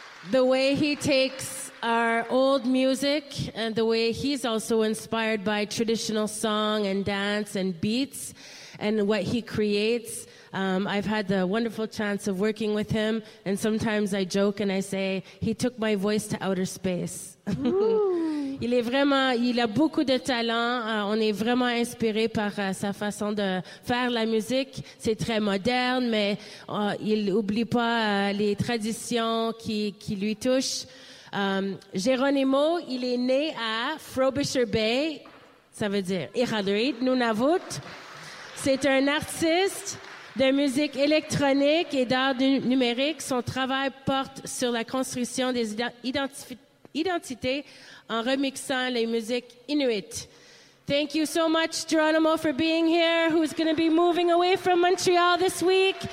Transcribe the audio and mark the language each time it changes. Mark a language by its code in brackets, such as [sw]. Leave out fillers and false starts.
[en] The way he takes our old music and the way he's also inspired by traditional song and dance and beats and what he creates. I've had the wonderful chance of working with him, and sometimes I joke and I say, he took my voice to outer space. [fr] Il est vraiment, il a beaucoup de talent. On est vraiment inspiré par sa façon de faire la musique. C'est très moderne, mais il oublie pas les traditions qui lui touchent. Geronimo, il est né à Frobisher Bay. Ça veut dire Iqaluit, Nunavut. C'est un artiste de musique électronique et d'art numérique. Son travail porte sur la construction des identités en remixant les musiques Inuit. [en] Thank you so much, Geronimo, for being here, who's going to be moving away from Montreal this week.